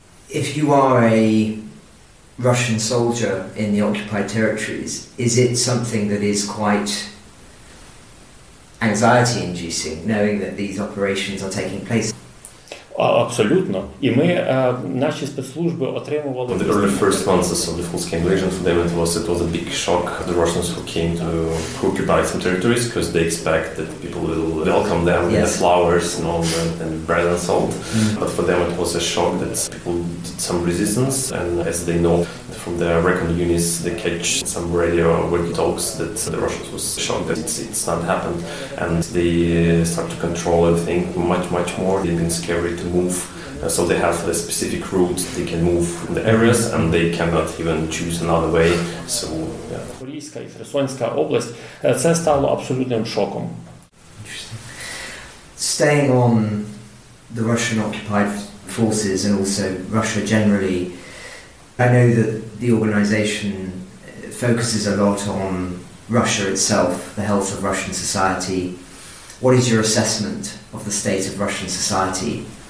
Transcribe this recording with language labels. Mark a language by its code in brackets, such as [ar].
[en] If you are a Russian soldier in the occupied territories, is it something that is quite anxiety-inducing, knowing that these operations are taking place? Absolutely. And we, [uk] наші спецслужби отримували... [en] In the early first months of the full-scale invasion, for them it was a big shock. The Russians who came to occupy some territories, because they expect that people will welcome them with yes. flowers and all that, and bread and salt. But for them it was a shock that people did some resistance, and as they know from the American units, they catch some radio walkie-talks that the Russians was shocked that it's not happened. And they start to control everything much, much more. They've been scared to move, so they have a specific route they can move in the areas, and they cannot even choose another way. So, yeah. [uk] Поліська і Херсонська область, це стало абсолютним шоком. [en] Staying on the Russian occupied forces and also Russia generally, I know that the organization focuses a lot on Russia itself, the health of Russian society. What is your assessment of the state of Russian society?